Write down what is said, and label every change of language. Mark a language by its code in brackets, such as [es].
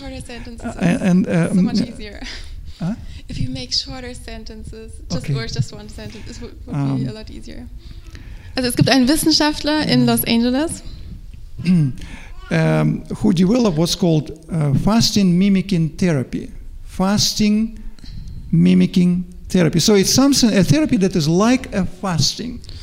[en] Make shorter sentences. So much easier. If you make shorter sentences, just one sentence, it would be a lot easier. [de] Also, es gibt einen Wissenschaftler in Los Angeles. [en] Who developed what's called fasting mimicking therapy. Fasting mimicking therapy. So it's something, a therapy that is like a fasting.